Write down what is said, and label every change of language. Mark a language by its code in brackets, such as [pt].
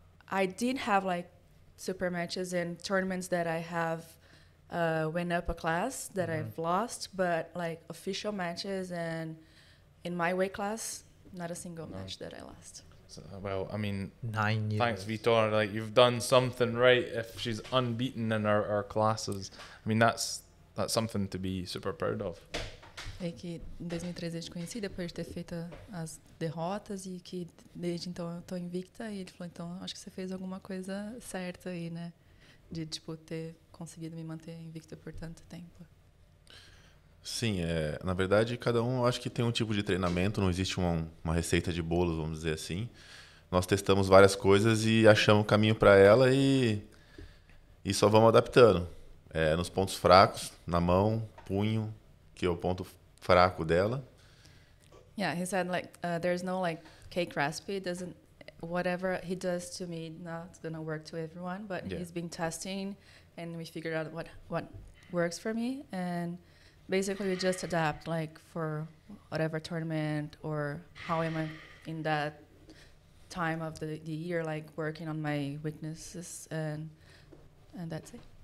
[en] I did have like super matches and tournaments that I have went up a class that I've lost, but like official matches and in my weight class, not a single match that I lost. Well, I mean, 9 years. Thanks, Vitor. Like, you've done something right if she's unbeaten in our classes. I mean, that's something to be super proud of. [pt] É que em 2013 a gente conheci depois de ter feito as derrotas, e que desde então eu tô invicta. E ele falou, então acho que você fez alguma coisa certa aí, né? De tipo ter conseguido me manter invicta por tanto tempo. Sim, na verdade cada um acho que tem um tipo de treinamento, não existe uma receita de bolo, vamos dizer assim. Nós testamos várias coisas e achamos o caminho para ela e só vamos adaptando. Nos pontos fracos, na mão, punho, que é o ponto fraco dela. [en] Yeah, he said like there's no like cake recipe, doesn't whatever he does to me not gonna work to everyone, but he's been testing and we figured out what works for me, and basically we just adapt like for whatever tournament or how am I in that time of the year, like working on my weaknesses, and that's it.